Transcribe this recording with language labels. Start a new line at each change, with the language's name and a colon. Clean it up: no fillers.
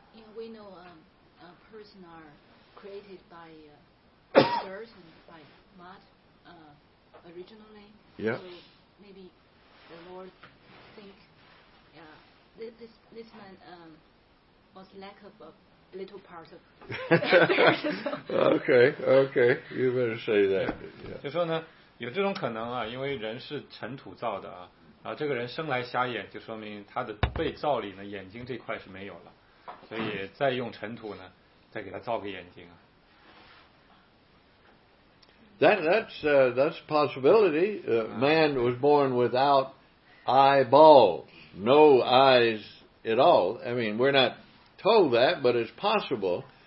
English: You know, we know a person are created by dirt and by mud originally. Yeah. So maybe the Lord think this man was lack of a little part of. okay. You better say that. Yeah.
Chinese: 就说呢，有这种可能啊，因为人是尘土造的啊。然后这个人生来瞎眼，就说明他的被造里呢，眼睛这块是没有了，所以再用尘土呢，再给他造个眼睛啊。
English: That's a possibility. Man was born without eyeballs, no eyes at all. I mean, we're not told that, but it's possible.